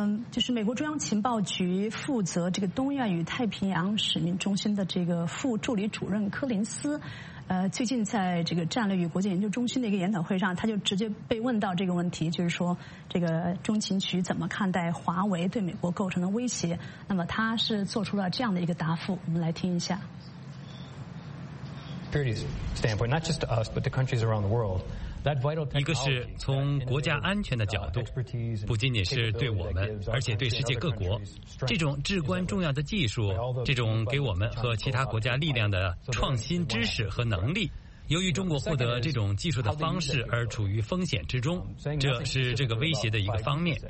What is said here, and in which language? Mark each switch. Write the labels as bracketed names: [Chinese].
[Chinese] 就是美国中央情报局负责这个东亚与太平洋使命中心的这个副助理主任柯林斯，最近在这个战略与国际研究中心的一个研讨会上，他就直接被问到这个问题，就是说这个中情局怎么看待华为对美国构成的威胁？那么他是做出了这样的一个答复，我们来听一下。 [English] Security standpoint, not just to us, but to countries around the world. [Chinese] 一个是从国家安全的角度，不仅仅是对我们，而且对世界各国，这种至关重要的技术，这种给我们和其他国家力量的创新知识和能力，由于中国获得这种技术的方式而处于风险之中，这是这个威胁的一个方面。